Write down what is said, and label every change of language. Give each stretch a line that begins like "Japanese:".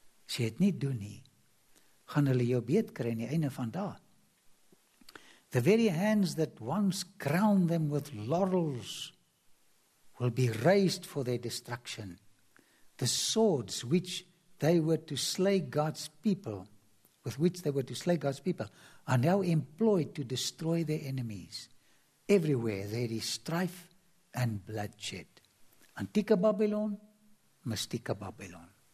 Afrikaans: As jy het nie doen nie, gaan hulle jou beet kry in die einde van daar.
English: The very hands that once crowned them with laurels will be raised for their destruction. The swords which they were to slay God's people, with which they were to slay God's people, are now employed to destroy their enemies. Everywhere there is strife and bloodshed.
Afrikaans: Antieke Babylon, mystieke Babylon.